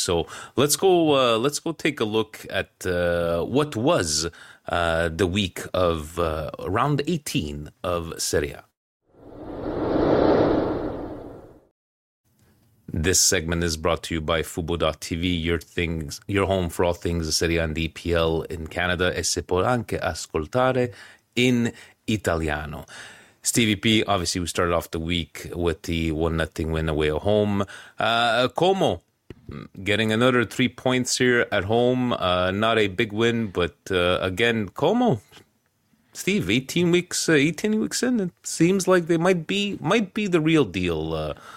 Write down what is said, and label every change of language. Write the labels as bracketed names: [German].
[English] So let's go take a look at what was the week of round 18 of Serie A. This segment is brought to you by Fubo.tv, your home for all things Serie A and EPL in Canada. [Italian] E se può anche ascoltare in Italiano. [English] Stevie P, obviously we started off the week with the 1-0 win away at home. Como, getting another 3 points here at home. Not a big win, but again, Como. Steve, 18 weeks in, it seems like they might be the real deal.